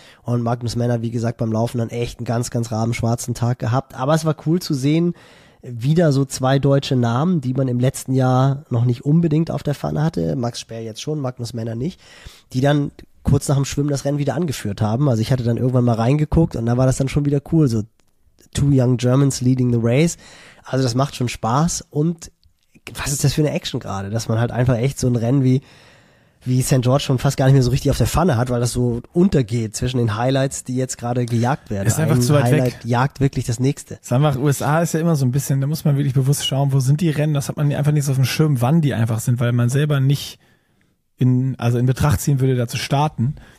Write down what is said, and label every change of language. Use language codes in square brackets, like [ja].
[de] Und Magnus Männer, wie gesagt, beim Laufen dann echt einen ganz, ganz rabenschwarzen Tag gehabt. Aber es war cool zu sehen, wieder so zwei deutsche Namen, die man im letzten Jahr noch nicht unbedingt auf der Pfanne hatte. Max Sperl jetzt schon, Magnus Männer nicht. Die dann kurz nach dem Schwimmen das Rennen wieder angeführt haben. Also ich hatte dann irgendwann mal reingeguckt und da war das dann schon wieder cool. [en] So two young Germans leading the race. [de] Also das macht schon Spaß. Und was ist das für eine Action gerade, dass man halt einfach echt so ein Rennen wie St. George schon fast gar nicht mehr so richtig auf der Pfanne hat, weil das so untergeht zwischen den Highlights, die jetzt gerade gejagt werden. Ist einfach ein zu weit Highlight weg. Jagt wirklich das nächste. Ist einfach, USA ist ja immer so ein bisschen, da muss man wirklich bewusst schauen, wo sind die Rennen, das hat man einfach nicht so auf dem Schirm, wann die einfach sind, weil man selber nicht in Betracht ziehen würde, da zu starten.